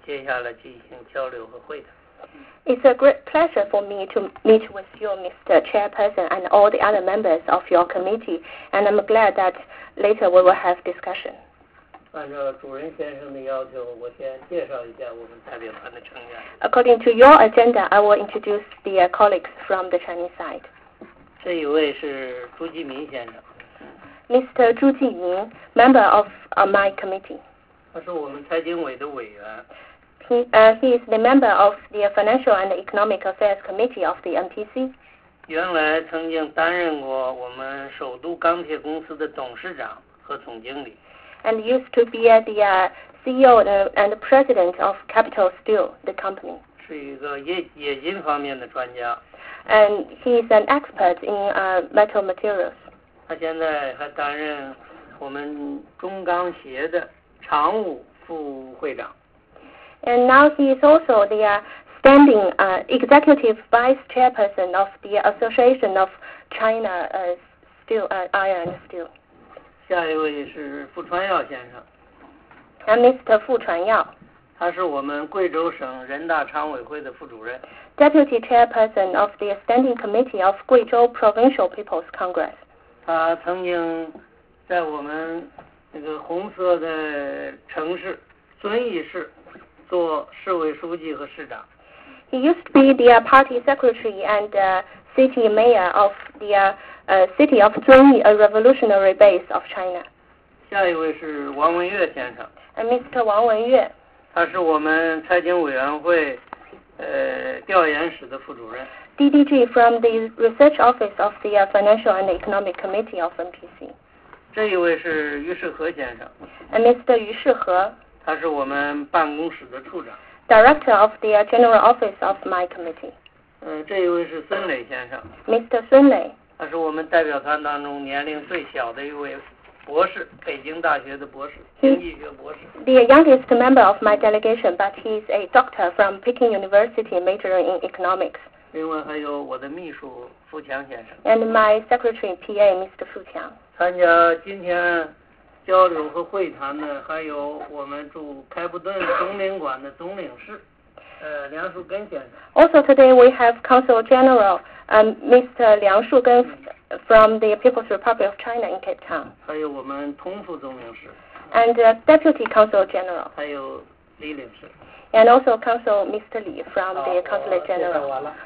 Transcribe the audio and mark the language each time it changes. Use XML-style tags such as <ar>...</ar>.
<zh>很高兴会见财经委的主任先生和各位成员，并且我们接下来进行交流和会谈。</zh> <en>It's a great pleasure for me to meet with you, Mr. Chairperson, and all the other members of your committee, and I'm glad that later we will have discussion.</en> <zh>按照主任先生的要求，我先介绍一下我们代表团的成员。</zh> <en>According to your agenda, I will introduce the colleagues from the Chinese side.</en> <zh>这一位是朱继民先生。</zh> <en>Mr. 朱继民, member of my committee.</en> <zh>他是我们财经委的委员。</zh> <en>He is the member of the Financial and Economic Affairs Committee of the MPC.</en> <zh>原来曾经担任过我们首都钢铁公司的董事长和总经理。</zh> <en>And used to be the CEO and president of Capital Steel, the company.</en> <zh>是一个冶金方面的专家。</zh> <en>And he is an expert in metal materials.</en> <zh>他现在还担任我们中钢协的常务副总经理。副会长。</zh> <en>And now he is also the standing executive vice chairperson of the Association of China Steel Iron Steel.</en> <zh>下一位是傅传耀先生。</zh> <en>And Mr. 傅传耀。</en> <zh>他是我们贵州省人大常委会的副主任。</zh> <en>Deputy chairperson of the standing committee of Guizhou Provincial People's Congress.</en> <zh>他曾经在我们那个红色的城市遵义市做市委书记和市长。</zh> <en>He used to be the party secretary and city mayor of the city of Zunyi, a revolutionary base of China.</en> <zh>下一位是王文岳先生。</zh> <en>And Mr. 王文岳。</en> <zh>他是我们财经委员会调研室的副主任。</zh> <en>DDG from the research office of the Financial and Economic Committee of MPC.</en> <zh>这一位是于世和先生。</zh> <en>And Mr. 于世和。</en> <zh>他是我们办公室的处长。</zh> <en>Director of the General Office of my committee.</en> <zh>这一位是孙磊先生。</zh> <en>Mr. 孙磊。</en> <zh>他是我们代表团当中年龄最小的一位博士，北京大学的博士，经济学博士。</zh> <en>The youngest member of my delegation, but he is a doctor from Peking University, majoring in economics.</en> <zh>另外还有我的秘书傅强先生。</zh> <en>And my secretary PA, Mr. 傅强。</en> <zh>参加今天交流和会谈的还有我们驻开普敦总领馆的总领事。梁树根先生。</zh> <en>Also today we have Consul General Mr. 梁树根 from the People's Republic of China in Cape Town.</en> <zh>还有我们通副总领事。</zh> <en>And Deputy Consul General.</en> <zh>还有李领事。</zh> <en>And also Consul Mr. Li from the Consulate General.</en>